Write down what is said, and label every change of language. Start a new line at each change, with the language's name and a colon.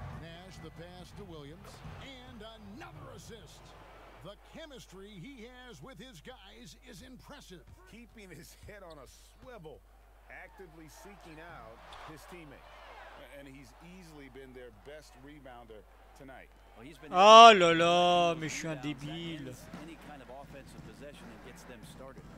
English: Nash, the pass to Williams, and another assist. The chemistry he has with his guys is impressive. Keeping his head on a swivel, actively seeking out his teammate. And he's easily been their best rebounder tonight. Well, he's been
French: oh là là, mais je suis un débile.
English: Any kind of offensive possession that gets them started.